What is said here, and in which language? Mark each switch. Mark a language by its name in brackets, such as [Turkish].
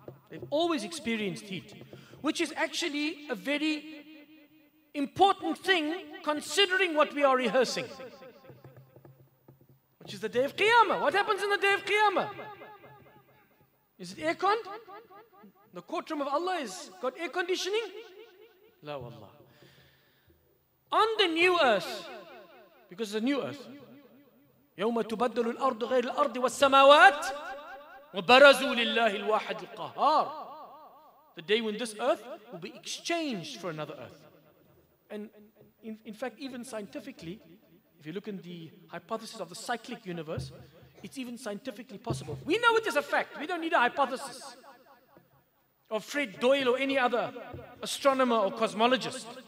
[English] They've always experienced heat, which is actually a very important thing considering what we are rehearsing, which is the day of Qiyamah. What happens in the day of Qiyamah? Is it aircon? The courtroom of Allah has got air conditioning? [Arabic] La wallah. [English] On the new earth, because it's a new earth. [Arabic] يوم تبدل الأرض غير الأرض والسماوات وبرزوا لله الواحد القهار. [English] The day when this earth will be exchanged for another earth. And in fact, even scientifically, if you look in the hypothesis of the cyclic universe, it's even scientifically possible. We know it is a fact. We don't need a hypothesis of Fred Doyle or any other astronomer or cosmologist.